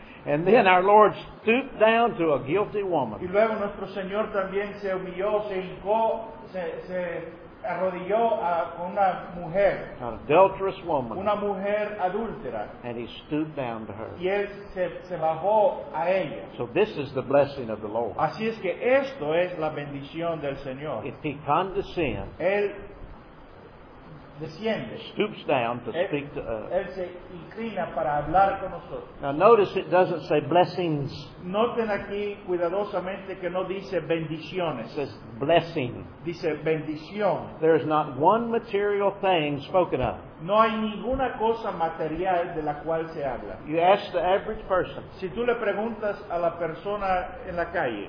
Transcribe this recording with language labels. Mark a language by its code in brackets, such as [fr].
[en] And then our Lord stooped down to a guilty woman. [es] Y luego nuestro Señor también se humilló, se hincó, se arrodilló a una mujer. [en] An adulterous woman. [es] Una mujer adúltera. [en] And he stooped down to her. [es] Y él se bajó a ella. [en] So this is the blessing of the Lord. [es] Así es que esto es la bendición del Señor. [en] If he condescends, [es] él desciende. [en] Stoops down to speak to us. [es] Él se inclina para hablar con nosotros. [en] Now notice it doesn't say blessings. [es] Noten aquí cuidadosamente que no dice bendiciones. [en] It says blessing. [es] Dice bendición. [en] There is not one material thing spoken of. [es] No hay ninguna cosa material de la cual se habla. [en] You ask the average person. [es] Si tú le preguntas a la persona en la calle.